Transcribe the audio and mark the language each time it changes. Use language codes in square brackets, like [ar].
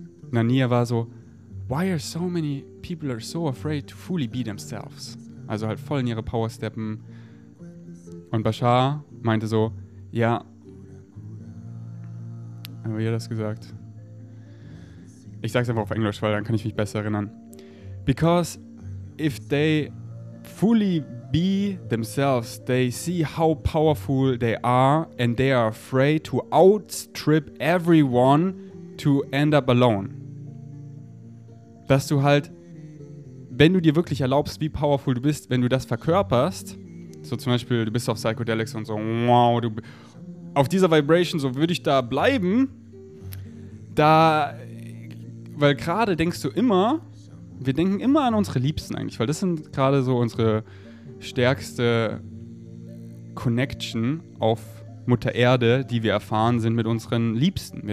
[de] Nania war so, [en] why are so many people are so afraid to fully be themselves? [de] Also halt voll in ihre Power steppen. Und Bashar meinte so, ja, wie hat er das gesagt? Ich sag's einfach auf Englisch, weil dann kann ich mich besser erinnern. [en] Because if they fully be themselves, they see how powerful they are and they are afraid to outstrip everyone to end up alone. [de] Dass du halt, wenn du dir wirklich erlaubst, wie powerful du bist, wenn du das verkörperst, so zum Beispiel, du bist auf Psychedelics und so, wow, du auf dieser Vibration, so würde ich da bleiben, da, weil gerade denkst du immer, wir denken immer an unsere Liebsten eigentlich, weil das sind gerade so unsere stärkste Connection auf Mutter Erde, die wir erfahren sind mit unseren Liebsten.